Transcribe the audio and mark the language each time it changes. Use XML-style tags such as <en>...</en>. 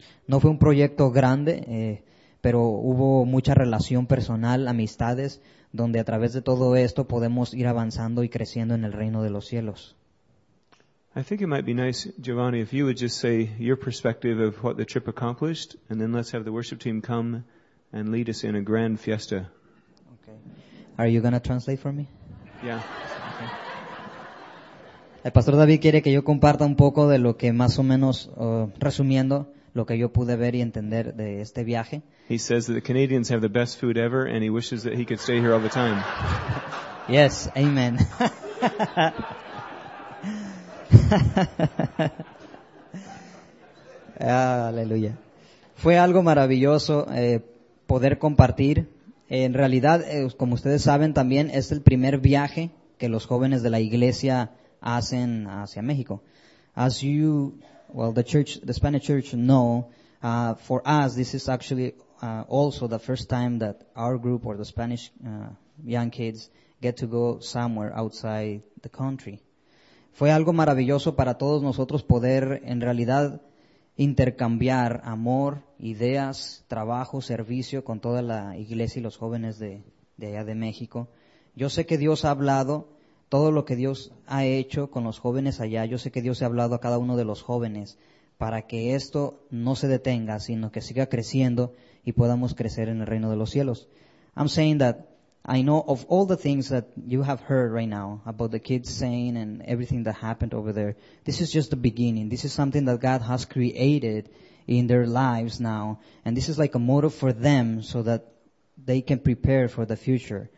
<es>No fue un proyecto grande, pero hubo mucha relación personal, amistades, donde a través de todo esto podemos ir avanzando y creciendo en el reino de los cielos.</es> <en>I think it might be nice, Giovanni, if you would just say your perspective of what the trip accomplished, and then let's have the worship team come and lead us in a grand fiesta. Okay. Are you going to translate for me? Yeah.</en> <es>Okay. El Pastor David quiere que yo comparta un poco de lo que más o menos, resumiendo, lo que yo pude ver y entender de este viaje.</es> <en>He says that the Canadians have the best food ever, and he wishes that he could stay here all the time. Yes, amen.</en> <es>Aleluya. Fue algo maravilloso poder compartir. En realidad, como ustedes saben también, es el primer viaje que los jóvenes de la iglesia hacen hacia México.</es> <en>As you, well, the church, the Spanish church know, for us, this is actually also the first time that our group or the Spanish young kids get to go somewhere outside the country.</en> <es>Fue algo maravilloso para todos nosotros poder, en realidad, intercambiar amor, ideas, trabajo, servicio con toda la iglesia y los jóvenes de allá de México. Yo sé que Dios ha hablado, todo lo que Dios ha hecho con los jóvenes allá, yo sé que Dios ha hablado a cada uno de los jóvenes para que esto no se detenga, sino que siga creciendo y podamos crecer en el reino de los cielos.</es> <en>I'm saying that I know of all the things that you have heard right now about the kids saying and everything that happened over there. This is just the beginning. This is something that God has created in their lives now. And this is like a motive for them so that they can prepare for the future.</en>